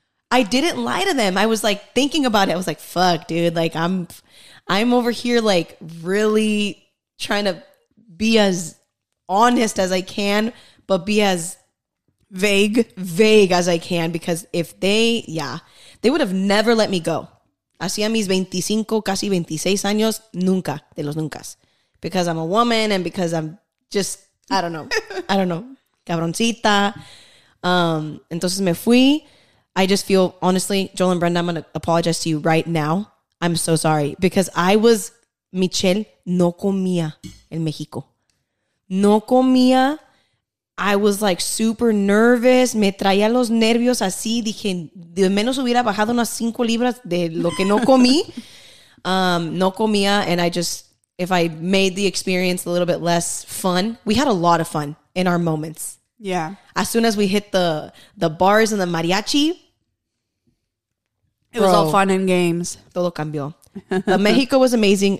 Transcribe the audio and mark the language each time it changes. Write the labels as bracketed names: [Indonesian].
[English] I didn't lie to them. I was like thinking about it. I was like, fuck, dude. Like I'm over here like really trying to be as honest as I can, but be as vague as I can. Because if they would have never let me go. [Spanish] Hacía mis 25, casi 26 años, nunca, de los nunca. [English] Because I'm a woman and because I'm just, I don't know, [Spanish] cabroncita. Entonces me fui. [English] I just feel, honestly, Joel and Brenda, I'm going to apologize to you right now. I'm so sorry because I was [Spanish] Michelle no comía en México. No comía. [English] I was like super nervous. [Spanish] Me traía los nervios así. Dije, de menos hubiera bajado unas 5 libras de lo que no comí. No comía. [English] And I just, if I made the experience a little bit less fun, we had a lot of fun in our moments. Yeah. As soon as we hit the bars and the mariachi, it was all fun and games. [Spanish] Todo cambió. [English] But Mexico was amazing.